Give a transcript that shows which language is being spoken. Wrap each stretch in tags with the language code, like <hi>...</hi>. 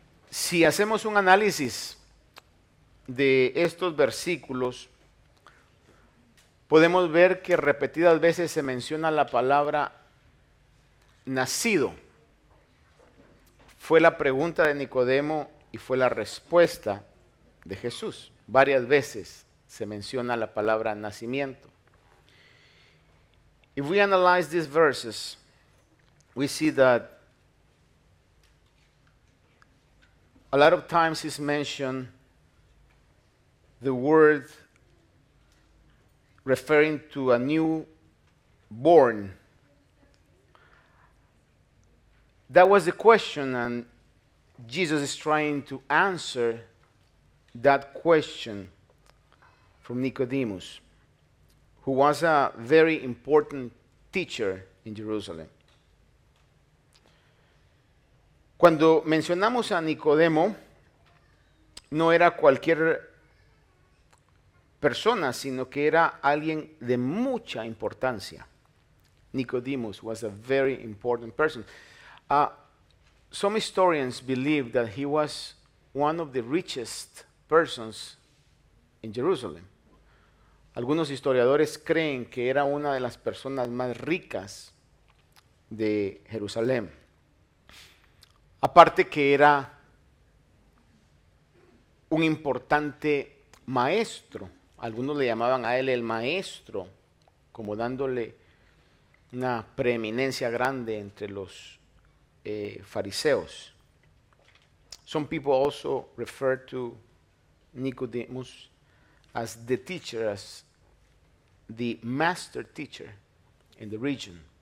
<es>Si hacemos un análisis de estos versículos, podemos ver que repetidas veces se menciona la palabra nacido. Fue la pregunta de Nicodemo y fue la respuesta de Jesús. Varias veces se menciona la palabra nacimiento.</es> <en>If we analyze these verses, we see that a lot of times is mentioned the word referring to a new born. That was the question, and Jesus is trying to answer that question from Nicodemus, who was a very important teacher in Jerusalem.</en> <es>Cuando mencionamos a Nicodemo, no era cualquier persona, sino que era alguien de mucha importancia.</es> <en>Nicodemus was a very important person. Some historians believe that he was one of the richest persons in Jerusalem.</en> <es>Algunos historiadores creen que era una de las personas más ricas de Jerusalén. Aparte que era un importante maestro. Algunos le llamaban a él el maestro, como dándole una preeminencia grande entre los fariseos.</es> <en>Some people also refer to Nicodemus as the teacher, as the master teacher in the region.</en>